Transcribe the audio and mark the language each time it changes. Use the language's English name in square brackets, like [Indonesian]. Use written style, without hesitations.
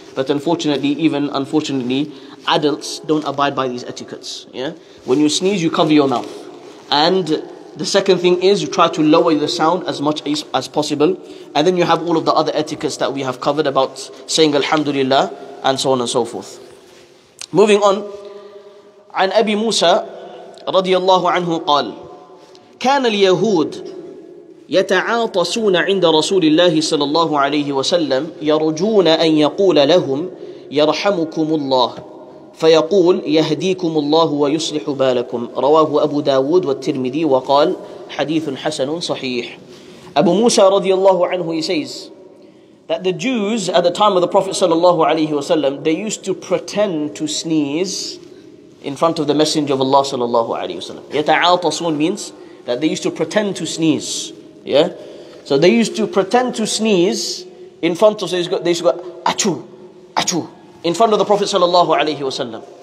[English] But unfortunately, adults don't abide by these etiquettes. Yeah? When you sneeze, you cover your mouth. And the second thing is you try to lower the sound as much as possible. And then you have all of the other etiquettes that we have covered about saying Alhamdulillah and so on and so forth. Moving on, [Arabic] عن أبي موسى رضي الله عنه قال كان اليهود يتعاطسون عند رسول الله صلى الله عليه وسلم يرجون أن يقول لهم يرحمكم الله فيقول يهديكم الله ويصلح بالكم رواه أبو داود والترمذي وقال حديث حسن صحيح. [English] أبو موسى رضي الله عنه, he says that the Jews at the time of the Prophet صلى الله عليه وسلم, they used to pretend to sneeze in front of the Messenger of Allah صلى الله عليه وسلم. يتعاطسون means that they used to pretend to sneeze. Yeah, so they used to pretend to sneeze in front of, so they used to go achu, achu in front of the Prophet sallallahu alaihi wasallam.